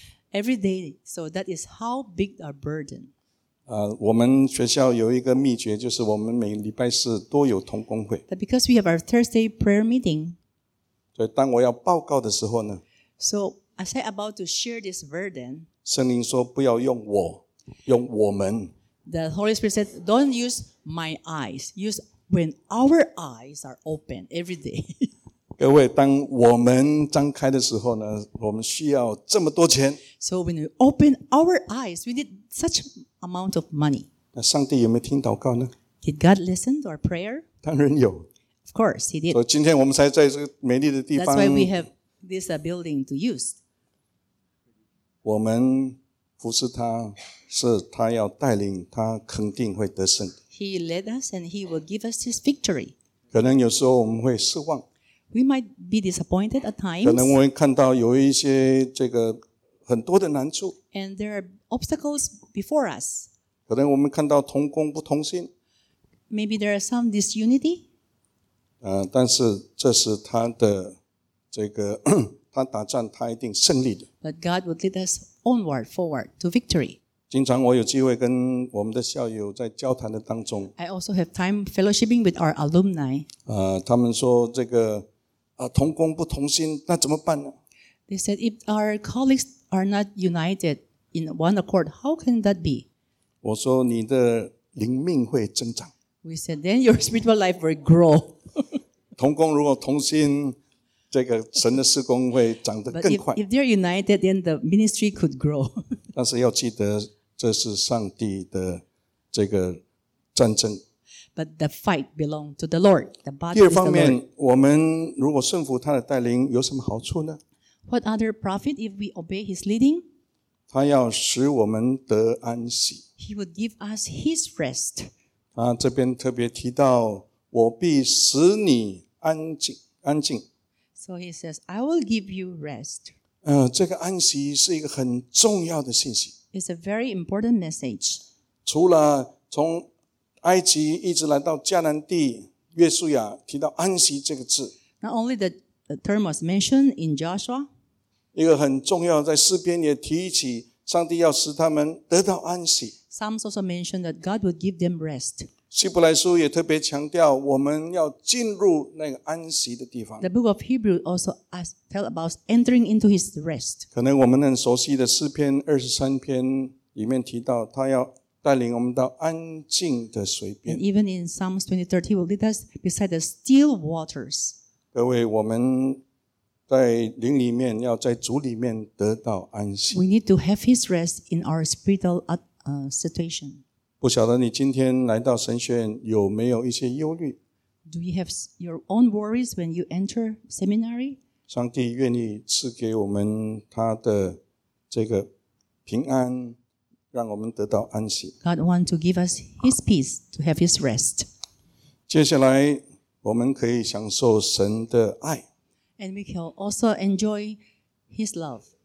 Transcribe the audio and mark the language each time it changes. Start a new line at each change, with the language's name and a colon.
English: Every day, so that is how big our burden.
Chinese: 我们学校有一个秘诀，就是我们每礼拜四都有同工会。
English: That because we have our Thursday prayer meeting.
Chinese: 所以当我要报告的时候呢
English: ？So as I about to share this burden.
Chinese: 圣灵说不要用我，用我们。
English: The Holy Spirit said, "Don't use my eyes. Use when our eyes are open every day."
Chinese: 各位，当我们张开的时候呢，我们需要这么多钱。
English: So when we open our eyes, we need such amount of money.
Chinese: 那上帝有没有听祷告呢
English: ？Did God listen to our prayer?
Chinese: 当然有。
English: Of course, He did.
Chinese: 所以今天我们才在这个美丽的地方。
English: That's why we have this building to use.
Chinese: 我们服侍他，是他要带领，他肯定会得胜。
English: He led us and He will give us His victory.
Chinese: 可能有时候我们会失望。
English: We might be disappointed at times.
Chinese: 可能我们看到有一些这个很多的难处。
English: And there are obstacles before us.
Chinese: 可能我们看到同工不同心。
English: Maybe there are some disunity.
Chinese: 但是这是他的这个他打仗，他一定胜利的。
English: But God would lead us onward, forward to victory.
Chinese: 经常我有机会跟我们的校友在交谈的当中。
English: I also have time fellowshipping with our alumni.
Chinese: 他们说这个同工不同心，那怎么办呢
English: ？They said if our colleagues are not united in one accord, how can that be？
Chinese: 我说你的灵命会增长。
English: We said then your spiritual life will grow.
Chinese: 同工如果同心，这个神的事工会长得更快。
English: But if they're united, then the ministry could grow.
Chinese: 但是要记得，这是上帝的这个战争。
English: But the fight belongs to the Lord. The battle is the Lord.
Chinese: 第二方面，我们如果顺服他的带领，有什么好处呢
English: ？What other profit if we obey his leading?
Chinese: 他要使我们得安息。
English: He would give us his rest.
Chinese: 他这边特别提到，我必使你安静，安静。
English: So he says, "I will give you rest."
Chinese: 这个安息是一个很重要的信息。
English: It's a very important message.
Chinese: 除了从埃及一直来到迦南地，约书亚提到安息这个字。
English: Not only the term was mentioned in Joshua.
Chinese: 一个很重要，在诗篇也提起，上帝要使他们得到安息。
English: Psalms also mentioned that God would give them rest.
Chinese: 希伯来书也特别强调，我们要进入那个安息的地方。
English: The book of Hebrews also tells about entering into His rest.
Chinese: 可能我们很熟悉的诗篇二十三篇里面提到，他要带领我们到安静的水边。
English: And even in Psalms 23, He will lead us beside the still waters.
Chinese: 各位，我们在灵里面，要在主里面得到安息。
English: We need to have His rest in our spiritual situation.
Chinese: 不晓得你今天来到神学院有没有一些忧虑
English: ？Do you have your own worries when you enter seminary？
Chinese: 上帝愿意赐给我们他的这个平安，让我们得到安息。
English: God wants to give us His peace to have His rest。
Chinese: 接下来，我们可以享受神的爱
English: ，and we can also enjoy His love。